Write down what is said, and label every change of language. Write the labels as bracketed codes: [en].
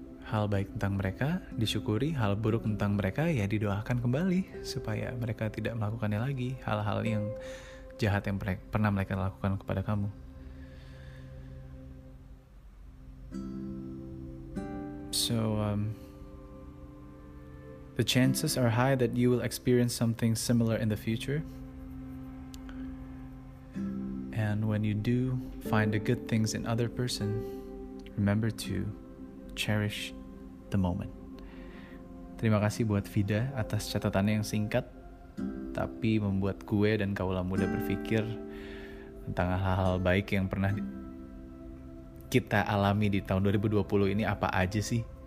[id] Hal baik tentang mereka disyukuri, hal buruk tentang mereka ya didoakan kembali supaya mereka tidak melakukannya lagi, hal-hal yang jahat yang pernah mereka lakukan kepada kamu. [en] So the chances are high that you will experience something similar in the future. And when you do find the good things in other person, remember to cherish the moment. [id] Terima kasih buat Vida atas catatannya yang singkat, tapi membuat gue dan kaula muda berpikir tentang hal-hal baik yang pernah kita alami di tahun 2020 ini apa aja sih?